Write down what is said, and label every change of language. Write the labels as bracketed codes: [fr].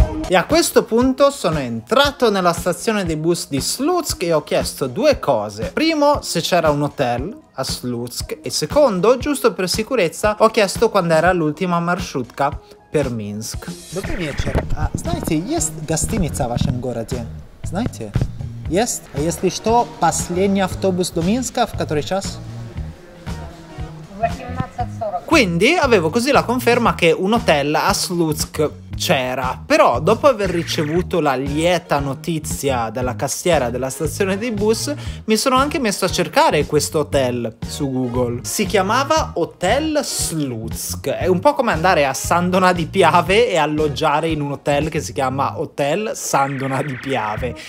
[it] E a questo punto sono entrato nella stazione dei bus di Slutsk e ho chiesto due cose. Primo, se c'era un hotel a Slutsk, e secondo, giusto per sicurezza, ho chiesto quando era l'ultima marshrutka per Minsk. [ru] Dobry вечер. А знаете, есть гостиница в вашем городе? Знаете? Есть? А если что, последний автобус до Минска в который час? [it] Quindi avevo così la conferma che un hotel a Slutsk c'era. Però dopo aver ricevuto la lieta notizia dalla cassiera della stazione dei bus, mi sono anche messo a cercare questo hotel su Google. Si chiamava Hotel Slutsk. È un po' come andare a Sandona di Piave e alloggiare in un hotel che si chiama Hotel Sandona di Piave.